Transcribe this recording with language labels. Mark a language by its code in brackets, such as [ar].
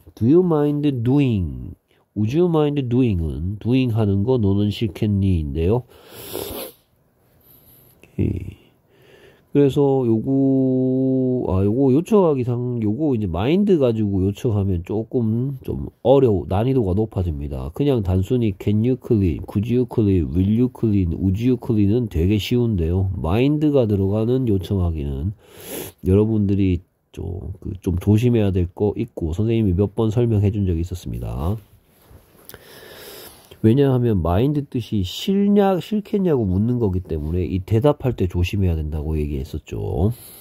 [en] Do you mind doing? Would you mind doing은 doing [ko] 하는 거 너는 싫겠니인데요. 그래서 요거 요청하기상 요거 이제 마인드 가지고 요청하면 조금 좀 어려워 난이도가 높아집니다. 그냥 단순히 [en] can you clean, could you clean, will you clean, would you clean은 [ko] 되게 쉬운데요. 마인드가 들어가는 요청하기는 여러분들이 좀그좀 조심해야 될거 있고 선생님이 몇번 설명해 준 적이 있었습니다. 왜냐하면 마인드 뜻이 싫겠냐고 묻는 거기 때문에 이 대답할 때 조심해야 된다고 얘기했었죠.